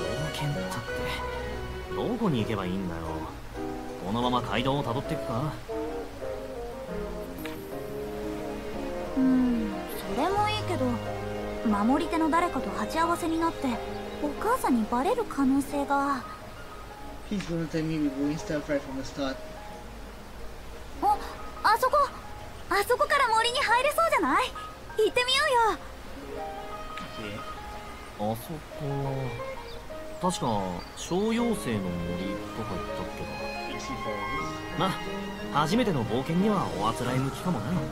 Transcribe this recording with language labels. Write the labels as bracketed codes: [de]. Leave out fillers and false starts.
[ja] 冒険だって、どこに行けばいいんだよ。このまま街道をたどっていくか。それもいいけど、守り手の誰かと鉢合わせになってお母さんにバレる可能性が。 [en] He's gonna tell me we're going to start right from the start. [ja] お、あそこ、あそこから森に入れそうじゃない？行ってみようよ。え、あそこ、確か小妖精の森とか言ったっけな。まあ、初めての冒険にはおあつらい向きかもな。